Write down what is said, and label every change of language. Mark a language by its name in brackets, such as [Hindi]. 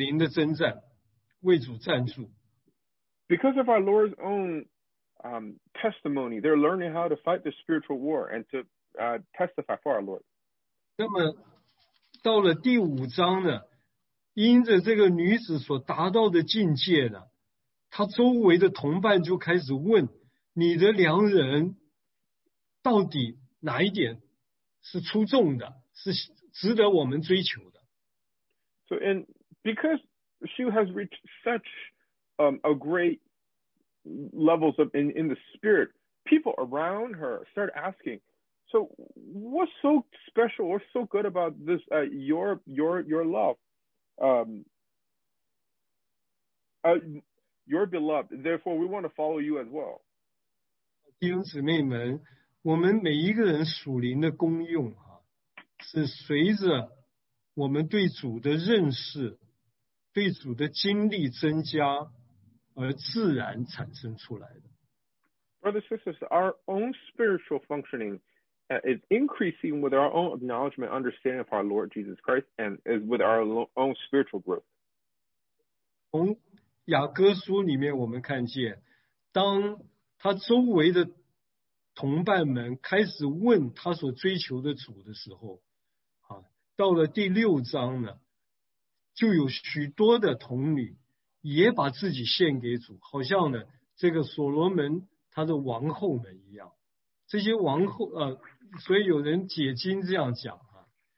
[Chinese] 他们为着主的见证,学习属灵的征战,为主战术。 [English] Because of our Lord's own testimony, they're learning how to fight the spiritual war and to testify for our Lord. [Chinese] 那么到了第五章呢, 因着这个女子所达到的境界呢，她周围的同伴就开始问：“你的良人到底哪一点是出众的，是值得我们追求的？”So [English] and because she has reached such a great levels of in the spirit, people around her start asking, "So what's so special or so good about this your love?" You're beloved, therefore we want to follow you as well. [Chinese] 弟兄姊妹们, 我们每一个人属灵的功用啊, 是随着我们对主的认识, 对主的经历增加, 而自然产生出来的。 [English] Brothers and sisters, our own spiritual functioning is increasing with our own acknowledgement, understanding of our Lord Jesus Christ, and is with our own spiritual growth. [Chinese] 从雅各书里面我们看见, 当他周围的同伴们开始问他所追求的主的时候, 啊, 到了第六章呢, 就有许多的童女也把自己献给主, 好像呢, 这个所罗门他的王后们一样。 这些王后, 所以有人解经这样讲啊,